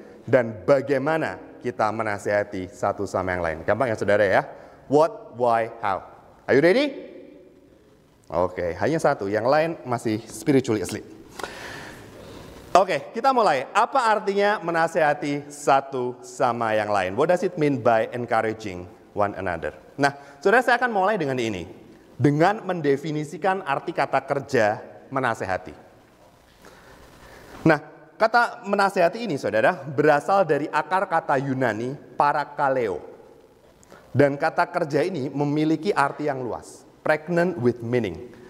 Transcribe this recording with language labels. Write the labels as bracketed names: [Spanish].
[Indonesian] Dan bagaimana kita menasehati satu sama yang lain? Gampang, ya, saudara, ya? [English] What, why, how. Are you ready? [Indonesian] Oke, hanya satu. Yang lain masih [English] spiritually asleep. [Indonesian] Oke, kita mulai. Apa artinya menasehati satu sama yang lain? [English] What does it mean by encouraging one another? [Indonesian] Nah, saudara, saya akan mulai dengan ini. Dengan mendefinisikan arti kata kerja menasehati. Nah, kata menasehati ini, saudara, berasal dari akar kata Yunani parakaleo. Dan kata kerja ini memiliki arti yang luas. [English] Pregnant with meaning.